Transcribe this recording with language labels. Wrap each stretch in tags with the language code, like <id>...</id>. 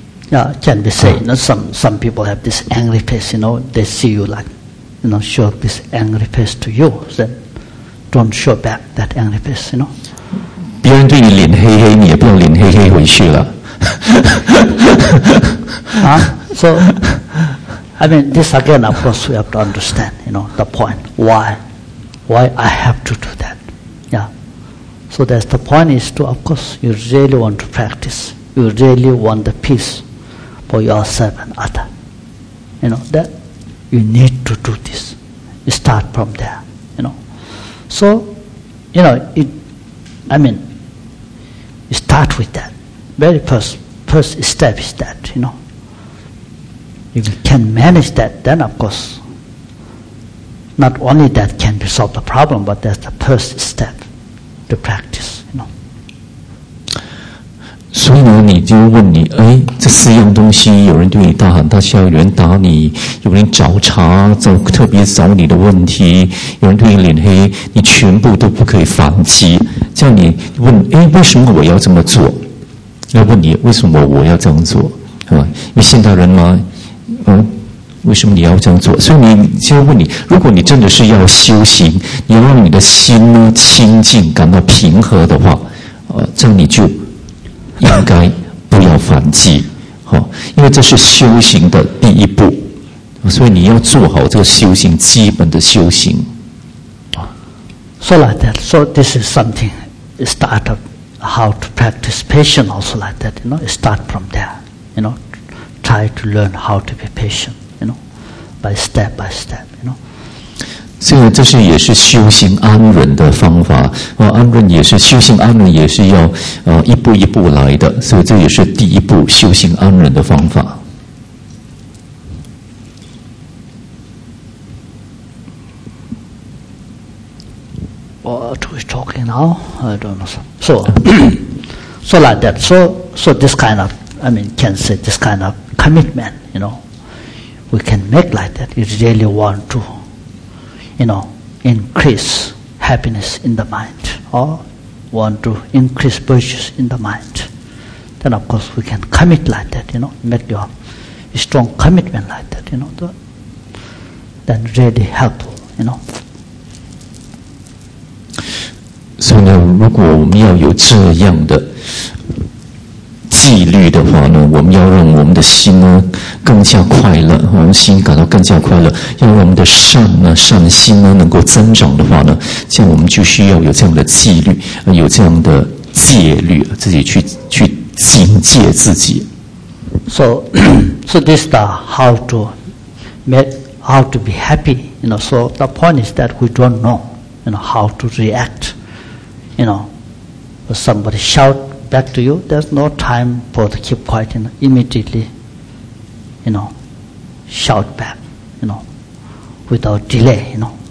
<en>Yeah, can be say, you know, some people have this angry face, you know, they see you like, you know, show this angry face to you, then don't show back that angry face, you know.</en> <zh>别人对你脸黑黑，你也不用脸黑黑回去了。</zh> <en>So. I mean, this again, of course, we have to understand, you know, the point. Why I have to do that? Yeah. So that's the point is to, of course, you really want to practice. You really want the peace for yourself and other. You know, that you need to do this. You start from there, you know. So, you know, you start with that. Very first step is that, you know. If you can manage that, then of course, not only that can be solve the problem, but that's the first step to practice, you know.</en> <zh>所以呢，你就问你，哎，这四样东西，有人对你大喊大笑，有人打你，有人找茬，特别找你的问题，有人对你脸黑，你全部都不可以反击。这样你问，哎，为什么我要这么做？要问你，为什么我要这样做？是吧？因为现代人嘛。为什么你要这样做？所以你先问你，如果你真的是要修行，你要让你的心呢清净，感到平和的话，这样你就应该不要反击，因为这是修行的第一步，所以你要做好这个修行基本的修行。</zh> <en>So like that. So this is something start of how to practice patience. Also like that, you know, start from there, you know. Try to learn how to be patient, you know, by step, you know.</en> <zh>这个这是也是修行安忍的方法，安忍也是修行安忍也是要一步一步来的，所以这也是第一步修行安忍的方法。</zh> <en>What are we talking now? I don't know. So like that. So this kind of, can say this kind of. Commitment, you know, we can make like that. You really want to, you know, increase happiness in the mind, or want to increase virtues in the mind. Then, of course, we can commit like that, you know, make your strong commitment like that, you know, then really help, you know.</en> <zh>所以呢，如果我们要有这样的纪律的话呢，我们要让我们的心呢更加快乐，我们心感到更加快乐，要让我们的善呢善心呢能够增长的话呢，这样我们就需要有这样的纪律，有这样的戒律，自己去警戒自己。</zh> <en>So this is the how to be happy, you know. So the point is that we don't know, you know, how to react, you know, if somebody shoutBack to you. There's no time for to keep quiet. You know, immediately, you know, shout back. You know, without delay. You know,</en>